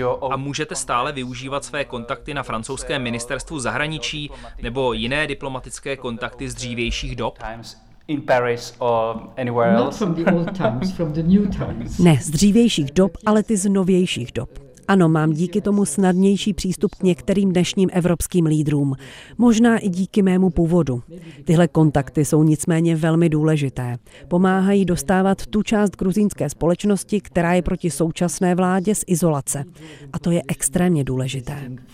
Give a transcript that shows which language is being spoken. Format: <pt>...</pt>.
<cs>A můžete stále využívat své kontakty na francouzském ministerstvu zahraničí nebo jiné diplomatické kontakty z dřívějších dob?</cs> <en>In Paris or anywhere else. Not from the old times, from the new times.</en> <cs>Ne, z dřívějších dob, ale ty z novějších dob. Ano, mám díky tomu snadnější přístup k některým dnešním evropským lídrům. Možná i díky mému původu. Tyhle kontakty jsou nicméně velmi důležité. Pomáhají dostávat tu část gruzínské společnosti, která je proti současné vládě, z izolace. A to je extrémně důležité.</cs>